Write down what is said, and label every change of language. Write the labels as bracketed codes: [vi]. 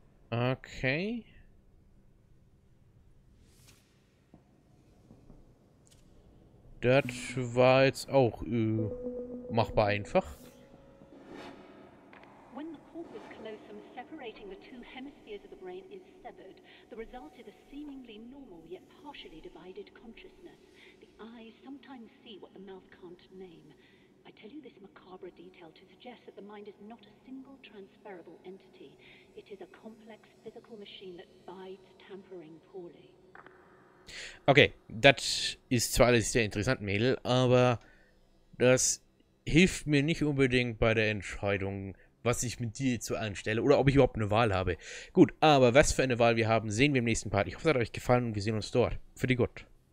[de] Okay. Das war jetzt auch machbar einfach. [en] When the corpus callosum separating the two hemispheres of the brain is severed, the result is a seemingly normal yet partially divided consciousness. The eyes sometimes see what the mouth can't name. I tell you this macabre detail to suggest that the mind is not a single transferable entity. It is a complex physical machine that bides tampering poorly. [de] Okay, das ist zwar alles sehr interessant, Mädel, aber das hilft mir nicht unbedingt bei der Entscheidung, was ich mit dir zu anstelle oder ob ich überhaupt eine Wahl habe. Gut, aber was für eine Wahl wir haben, sehen wir im nächsten Part. Ich hoffe, es hat euch gefallen und wir sehen uns dort. Für die Gott.